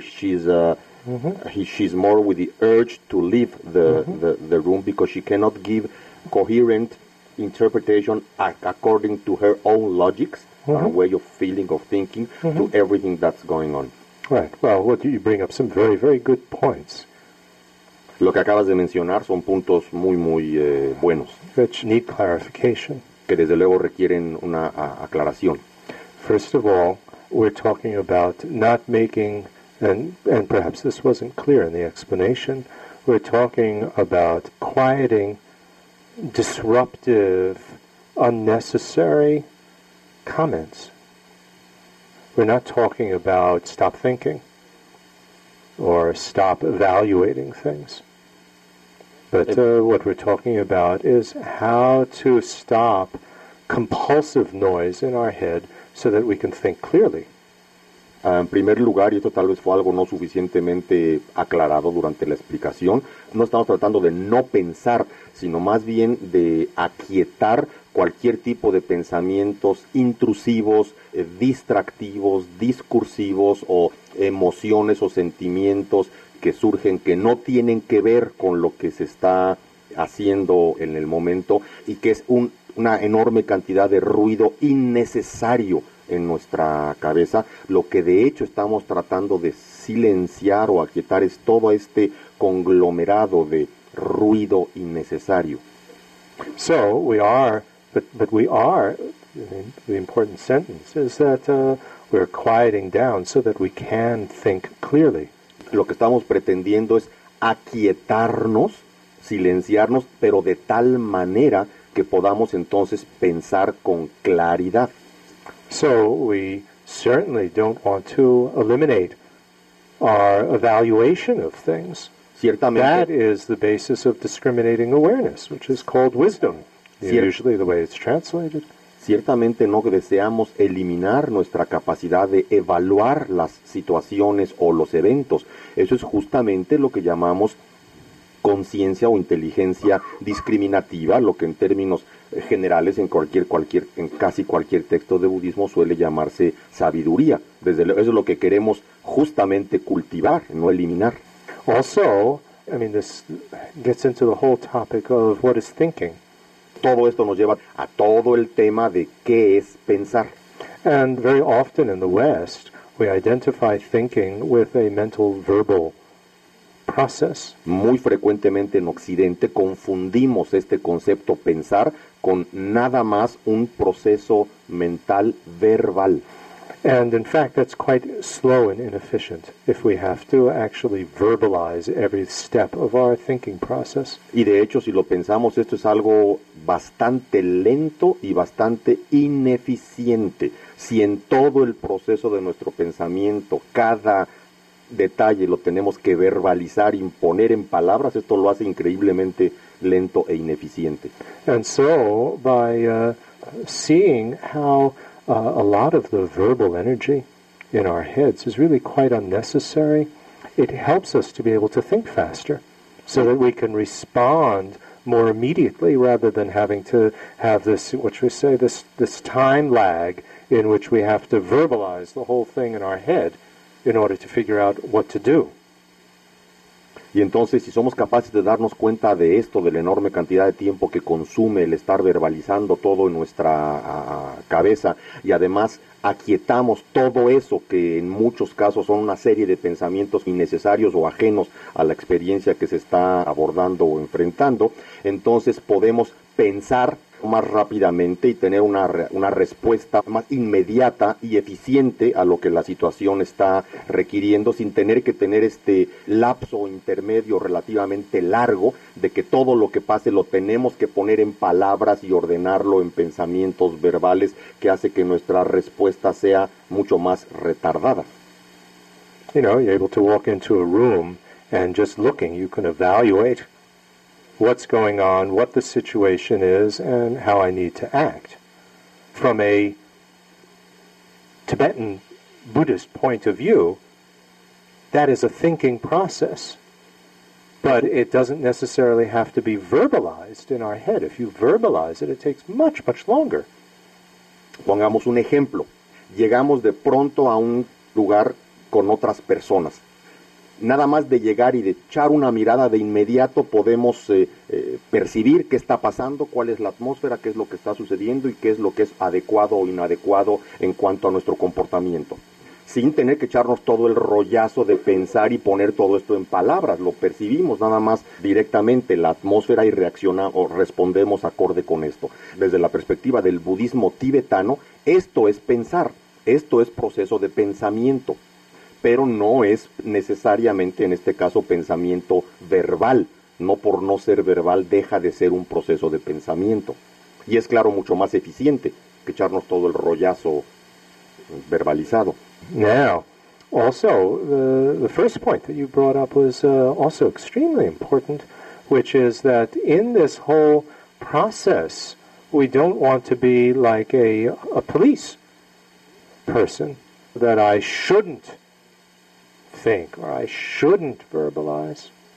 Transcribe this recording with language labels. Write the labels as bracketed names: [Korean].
[English] She's she's more with the urge to leave the room because she cannot give coherent interpretation according to her own logics or way of feeling or thinking to everything that's going on. Right. Well, what you bring up some very, very good points. [Spanish] Lo que acabas de mencionar son puntos muy, muy buenos. [English] Which need clarification. [Spanish] Que desde luego requieren una aclaración. [English] First of all, we're talking about not making, and perhaps this wasn't clear in the explanation, we're talking about quieting disruptive, unnecessary comments. We're not talking about stop thinking or stop evaluating things. But what we're talking about is how to stop compulsive noise in our head so that we can think clearly. [Spanish] En primer lugar, y esto tal vez fue algo no suficientemente aclarado durante la explicación, no estamos tratando de no pensar, sino más bien de aquietar cualquier tipo de pensamientos intrusivos, distractivos, discursivos o emociones o sentimientos que surgen que no tienen que ver con lo que se está haciendo en el momento y que es una enorme cantidad de ruido innecesario en nuestra cabeza. Lo que de hecho estamos tratando de silenciar o aquietar es todo este conglomerado de ruido innecesario. [English] So we are, but we are, the important sentence is that we're quieting down so that we can think clearly. [Spanish] Lo que estamos pretendiendo es aquietarnos, silenciarnos, pero de tal manera que podamos entonces pensar con claridad. [English] So we certainly don't want to eliminate our evaluation of things. [Spanish] Ciertamente. [English] That is the basis of discriminating awareness, which is called wisdom, usually the way it's translated. [Spanish] Ciertamente no deseamos eliminar nuestra capacidad de evaluar las situaciones o los eventos. Eso es justamente lo que llamamos conciencia o inteligencia discriminativa, lo que en términos generales en casi cualquier texto de budismo suele llamarse sabiduría. Desde luego, eso es lo que queremos justamente cultivar, no eliminar. [English] Also, I mean, this gets into the whole topic of what is thinking. [Spanish] Todo esto nos lleva a todo el tema de qué es pensar. [English] And very often in the West, we identify thinking with a mental verbal process. [Spanish] Muy frecuentemente en Occidente confundimos este concepto pensar con nada más un proceso mental verbal. [English] And in fact, that's quite slow and inefficient if we have to actually verbalize every step of our thinking process. [Spanish] Y de hecho, si lo pensamos, esto es algo bastante lento y bastante ineficiente. Si en todo el proceso de nuestro pensamiento, cada detalle lo tenemos que verbalizar, imponer en palabras, esto lo hace increíblemente lento e ineficiente. [English] And so, by seeing how a lot of the verbal energy in our heads is really quite unnecessary, it helps us to be able to think faster so that we can respond more immediately rather than having to have this, what should we say, this time lag in which we have to verbalize the whole thing in our head in order to figure out what to do. [Spanish] Y entonces, si somos capaces de darnos cuenta de esto, de la enorme cantidad de tiempo que consume el estar verbalizando todo en nuestra cabeza, y además aquietamos todo eso que en muchos casos son una serie de pensamientos innecesarios o ajenos a la experiencia que se está abordando o enfrentando, entonces podemos pensar más rápidamente y tener una respuesta más inmediata y eficiente a lo que la situación está requiriendo sin tener que tener este lapso intermedio relativamente largo de que todo lo que pase lo tenemos que poner en palabras y ordenarlo en pensamientos verbales que hace que nuestra respuesta sea mucho más retardada. [English] You know, you're able to walk into a room and just looking you can evaluate what's going on, what the situation is, and how I need to act. From a Tibetan Buddhist point of view, that is a thinking process. But it doesn't necessarily have to be verbalized in our head. If you verbalize it, it takes much, much longer. [Spanish] Pongamos un ejemplo. Llegamos de pronto a un lugar con otras personas. Nada más de llegar y de echar una mirada de inmediato podemos percibir qué está pasando, cuál es la atmósfera, qué es lo que está sucediendo y qué es lo que es adecuado o inadecuado en cuanto a nuestro comportamiento. Sin tener que echarnos todo el rollazo de pensar y poner todo esto en palabras, lo percibimos nada más directamente la atmósfera y reaccionamos o respondemos acorde con esto. Desde la perspectiva del budismo tibetano, esto es pensar, esto es proceso de pensamiento. Pero no es necesariamente, en este caso, pensamiento verbal. No por no ser verbal deja de ser un proceso de pensamiento. Y es, claro, mucho más eficiente que echarnos todo el rollazo verbalizado. [English] Now, also, the first point that you brought up was also extremely important, which is that in this whole process, we don't want to be like a police person, that I shouldn't think, or I shouldn't verbalize.